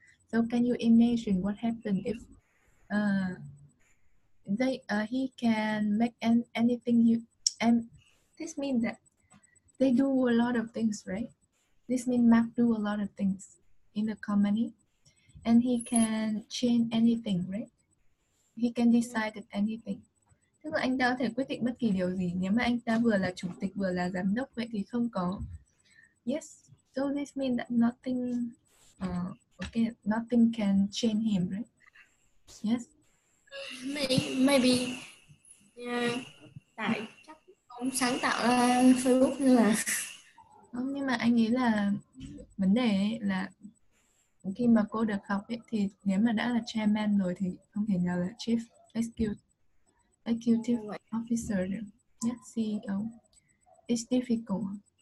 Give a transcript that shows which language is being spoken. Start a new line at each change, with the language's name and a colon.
English: So can you imagine what happened if he can make anything you... And this means that they do a lot of things, right? This means Mark do a lot of things in the company. And he can change anything, right? He can decide anything.
Vietnamese: Tức là anh ta có thể quyết định bất kỳ điều gì. Nếu mà anh ta vừa là chủ tịch vừa là giám đốc, vậy thì không có.
English: Yes, so this means that nothing okay, nothing can change him, right? Yes.
Vietnamese: Maybe tại chắc ông sáng tạo ra Facebook như là không, nhưng mà anh nghĩ là vấn đề ấy là khi mà cô được học ấy, thì nếu mà đã là chairman rồi thì không thể nào là chief executive officer được.
English: Yes, CEO. It's difficult.